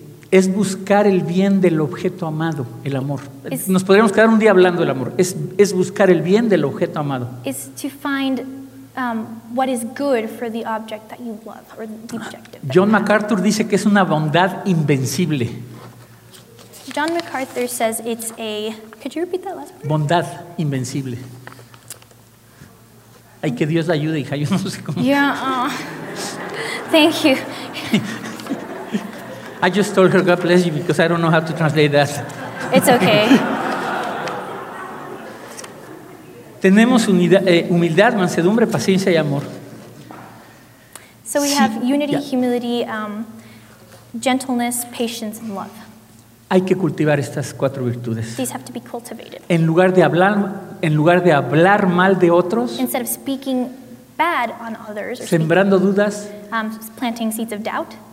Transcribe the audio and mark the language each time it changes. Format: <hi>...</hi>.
<es>Es buscar el bien del objeto amado, el amor. Nos podríamos quedar un día hablando del amor. Es buscar el bien del objeto amado.</es> <en>Is to find what is good for the object that you love or the objective.</en> <es>John MacArthur dice que es una bondad invencible.</es> <en>John MacArthur says it's a Could you repeat that last part?</en> <es>Bondad invencible. Ay, que Dios la ayude, hija. Yo no sé cómo.</es> <en>Yeah, thank you. I just told her God bless you because I don't know how to translate that. It's okay.</en> <es>Tenemos humildad, mansedumbre, paciencia y amor.</es> <en>So we have unity, humility, gentleness, patience, and love.</en> <es>Hay que cultivar estas cuatro virtudes.</es> <en>These have to be cultivated.</en> <es>En lugar de hablar mal de otros,</es> <en>instead of speaking bad on others,</en> <es>sembrando dudas,</es> <en>planting seeds of doubt,</en>